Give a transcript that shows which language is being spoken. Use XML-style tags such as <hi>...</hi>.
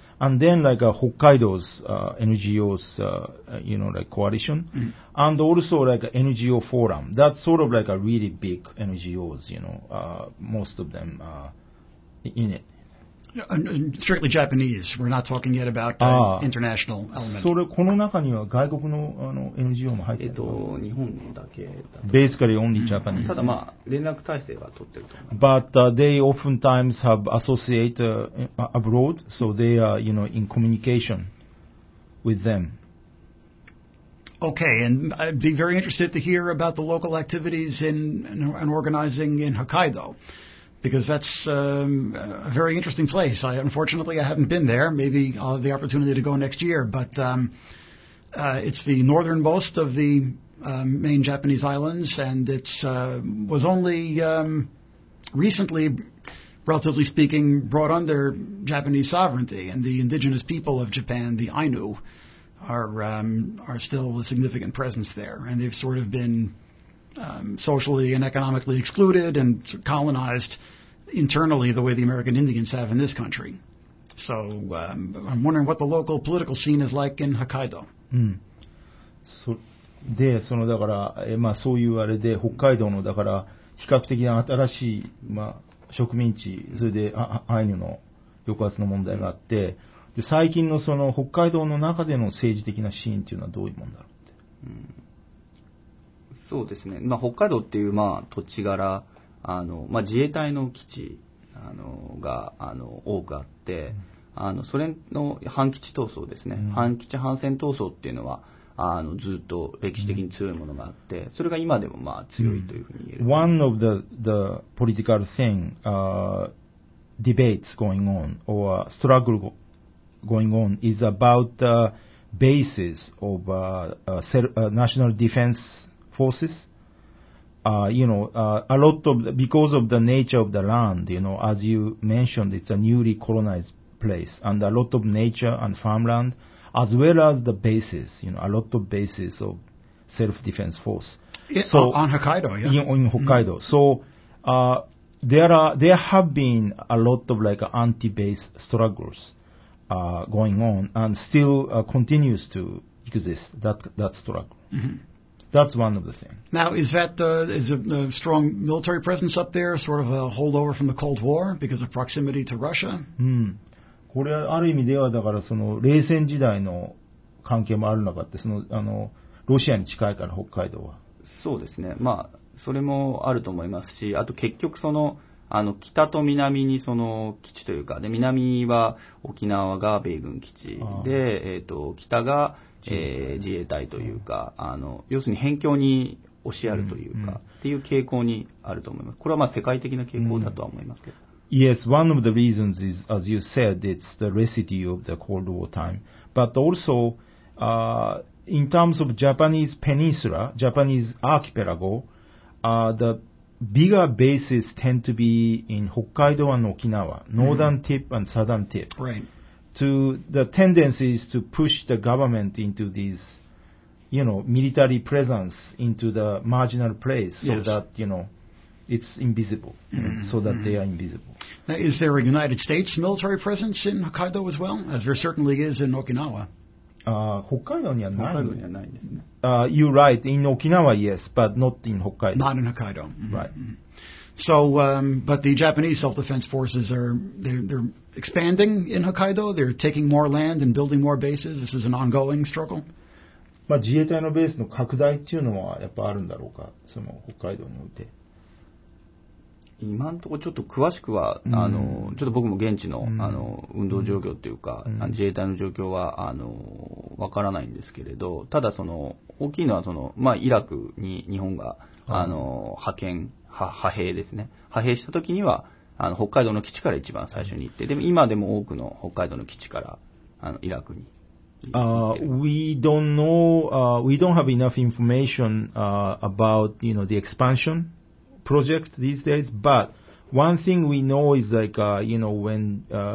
<en>And then like a Hokkaido's NGOs, you know, like coalition. Mm. And also like a NGO forum. That's sort of like a really big NGOs, you know, most of them in it. Yeah, strictly Japanese. We're not talking yet about international element.</en> <ja>それこの中には外国の、あの、NGO も入ってる。日本だけだ</ja> <en>と。Basically only Japanese.</en> <ja>ただまあ、連絡体制は取ってると思います。</ja> <en>But they oftentimes have associate abroad, so they are, you know, in communication with them. Okay, and I'd be very interested to hear about the local activities in organizing in Hokkaido. Because that's a very interesting place. Unfortunately, I haven't been there. Maybe I'll have the opportunity to go next year. But it's the northernmost of the main Japanese islands, and it was only recently, relatively speaking, brought under Japanese sovereignty. And the indigenous people of Japan, the Ainu, are still a significant presence there. And they've sort of been socially and economically excluded and colonized. Internally, the way the American Indians have in this country. So, I'm wondering what the local political scene is like in Hokkaido.</en> <ja>So, で、そのだから、まあそういうあれで、北海道のだから比較的新しい、まあ、植民地、それでアイヌの抑圧の問題があって、で最近のその北海道の中での政治的なシーンっていうのはどういうものだろうって。そうですね。まあ北海道っていうまあ土地柄。あのまあ、自衛隊の基地あのがあの多くあって、うん、あのソ連の反基地闘争ですね、うん、反基地反戦闘争っていうのはあのずっと歴史的に強いものがあって、うん、それが今でもまあ強いというふうに言える、う</ja> <en>ん、One of the political thing、debates going on or struggle going on is about the basis of national defense forcesyou know, a lot of, the, because of the nature of the land, you know, as you mentioned, it's a newly colonized place, and a lot of nature and farmland, as well as the bases, you know, a lot of bases of self-defense force. Yeah, so, on Hokkaido, yeah. In Hokkaido. Mm. So, there have been a lot of, like, anti-base struggles going on, and still continues to exist, that struggle. Mm-hmm. That's one of the things. Now, is that a strong military presence up there, sort of a holdover from the Cold War because of proximity to Russia?</en> <ja>うん。これはある意味では、だからその冷戦時代の関係もある中って、その、あの、ロシアに近いから、北海道は。そうですね。まあ、それもあると思いますし、あと結局その、あの、北と南にその基地というか、で、南は沖縄が米軍基地で、北が、自衛隊というか、うん、あの要するに辺境に押しやるというか、うん、っていう傾向にあると思います。これはまあ世界的な傾向だとは思いますけど。うん、</ja> <en>yes, one of the reasons is, as you said, it's the residue of the Cold War time. But also,in terms of Japanese peninsula, Japanese archipelago,the bigger bases tend to be in Hokkaido and Okinawa, northern、mm. tip and southern tip. Right. To the tendency is to push the government into these, you know, military presence into the marginal place so、 yes. that, you know, it's invisible,、mm-hmm. so that they are invisible. Now, is there a United States military presence in Hokkaido as well, as there certainly is in Okinawa?</en> <ja>Hokkaido にはない。 Hokkaido にはないです</ja> <en>ね。You're right. In Okinawa, yes, but not in Hokkaido. Not in Hokkaido. Mm-hmm. Right. Mm-hmm. So, but the Japanese self-defense forces they're expanding in Hokkaido. They're taking more land and building more bases. This is an ongoing struggle.</en> <ja>まあ自衛隊のベースの拡大っていうのはやっぱあるんだろうか、その北海道において。今んとこちょっと詳しくは、うん、あのちょっと僕も現地 の、うん、あの運動状況っていうか、うん、自衛隊の状況はあのわからないんですけれど、ただその大きいのはその、まあ、イラクに日本が、うん、あの派遣派兵ですね、派兵した時にはあの北海道の基地から一番最初に行って、でも今でも多くの北海道の基地からあのイラクに。</ja> <en>We don't know, we don't have enough information about, you know, the expansion project these days, but one thing we know is like, you know, when</en>